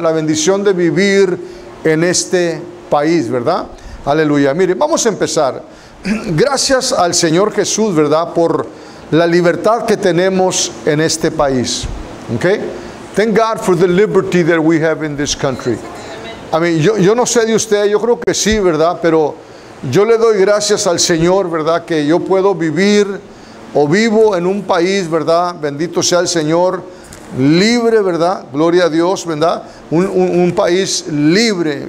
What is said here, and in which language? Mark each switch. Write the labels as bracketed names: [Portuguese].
[Spanish] La bendición de vivir en este país, ¿verdad? Aleluya. Mire, vamos a empezar. Gracias al Señor Jesús, ¿verdad?, por la libertad que tenemos en este país. ¿Ok? [English] Thank God for the liberty that we have in this country. I mean, [Spanish] yo no sé de usted, yo creo que sí, ¿verdad?, pero yo le doy gracias al Señor, ¿verdad?, que yo puedo vivir o vivo en un país, ¿verdad?, bendito sea el Señor, libre, ¿verdad? Gloria a Dios, ¿verdad? Un país libre.